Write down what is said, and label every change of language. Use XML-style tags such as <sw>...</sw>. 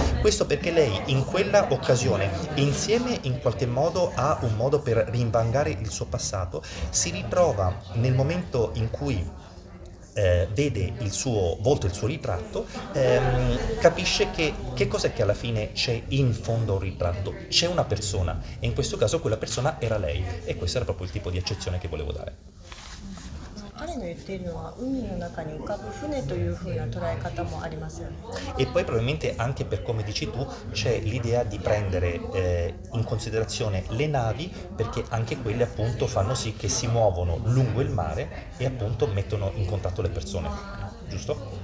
<it>Questo perché lei in quella occasione, insieme in qualche modo a un modo per rimbangare il suo passato, si ritrova nel momento in cui vede il suo volto, il suo ritratto, capisce che cos'è che alla fine c'è in fondo al ritratto. C'è una persona, e in questo caso quella persona era lei, e questo era proprio il tipo di accezione che volevo dare.</it> <ja>彼の言っているのは海の中に浮かぶ船というふうな捉え方もありますよね。</ja> <it>E poi probabilmente anche per come dici tu c'è l'idea di prendere in considerazione le navi, perché anche quelle appunto fanno sì che si muovono lungo il mare e appunto mettono in contatto le persone, giusto?</it>